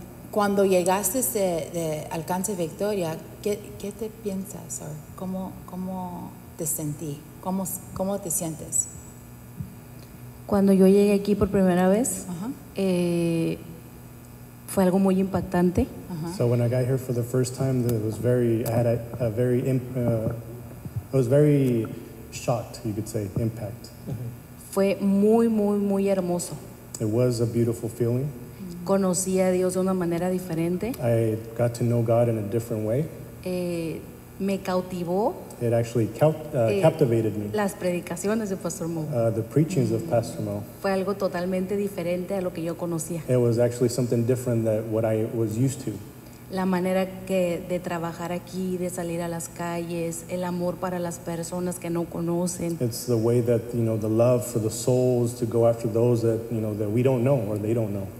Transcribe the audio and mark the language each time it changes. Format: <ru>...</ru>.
<es>Cuando llegaste de Alcance Victoria, ¿qué te piensas o cómo te sentí? ¿Cómo te sientes? Cuando yo llegué aquí por primera vez, fue algo muy impactante. Uh-huh.</es> <en>So when I got here for the first time, it was very shocked, you could say, impact.</en> <es>Fue muy, muy, muy hermoso.</es> <en>It was a beautiful feeling.</en> <es>Conocí a Dios de una manera diferente.</es> <en>I got to know God in a different way.</en> <es>Me cautivó.</es> <en>It actually captivated me.</en> <es>Las predicaciones de Pastor Mo.</es> <en>The preachings of Pastor Mo.</en> <es>Fue algo totalmente diferente a lo que yo conocía.</es> <en>It was actually something different than what I was used to.</en> <es>La manera de trabajar aquí, de salir a las calles, el amor para las personas que no conocen.</es> <en>It's the way that, the love for the souls to go after those that, that we don't know or they don't know.</en>